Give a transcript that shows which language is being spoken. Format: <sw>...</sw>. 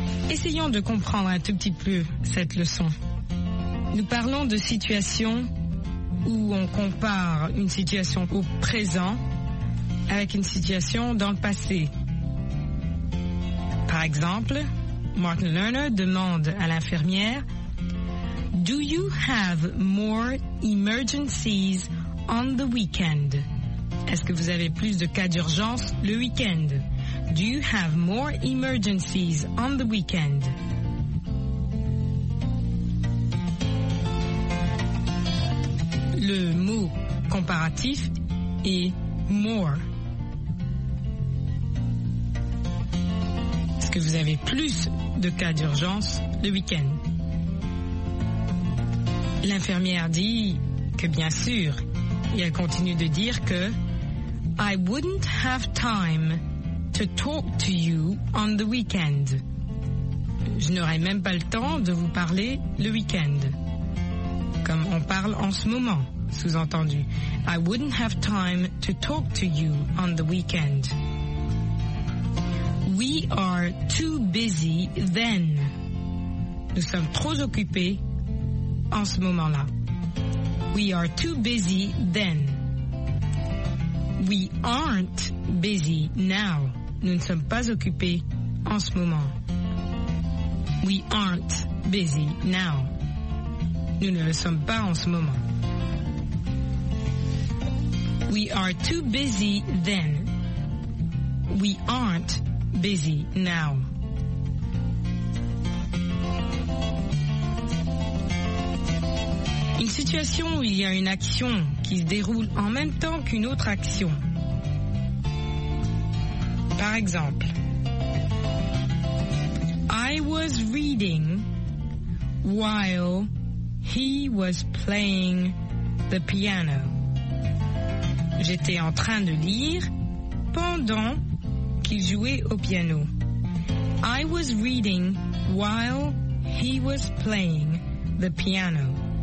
<fr>Essayons de comprendre un tout petit peu cette leçon. Nous parlons de situations où on compare une situation au présent avec une situation dans le passé. Par exemple, Martin Lerner demande à l'infirmière «</fr> <en>Do you have more emergencies on the weekend?</en> <fr>» Est-ce que vous avez plus de cas d'urgence le week-end?</fr> <en>Do you have more emergencies on the weekend?</en> <fr>Le mot comparatif est more. Est-ce que vous avez plus de cas d'urgence le week-end? L'infirmière dit que bien sûr, et elle continue de dire que</fr> <en>I wouldn't have time to talk to you on the weekend.</en> <fr>Je n'aurai même pas le temps de vous parler le week-end. Comme on parle en ce moment, sous-entendu.</fr> <en>I wouldn't have time to talk to you on the weekend. We are too busy then.</en> <fr>Nous sommes trop occupés en ce moment-là.</fr> <en>We are too busy then. We aren't busy now.</en> <fr>Nous ne sommes pas occupés en ce moment.</fr> <en>We aren't busy now.</en> <fr>Nous ne le sommes pas en ce moment.</fr> <en>We are too busy then. We aren't busy now.</en> <fr>Une situation où il y a une action qui se déroule en même temps qu'une autre action. Par exemple,</fr> <en>I was reading while he was playing the piano.</en> <fr>J'étais en train de lire pendant qu'il jouait au piano.</fr> <en>I was reading while he was playing the piano.</en>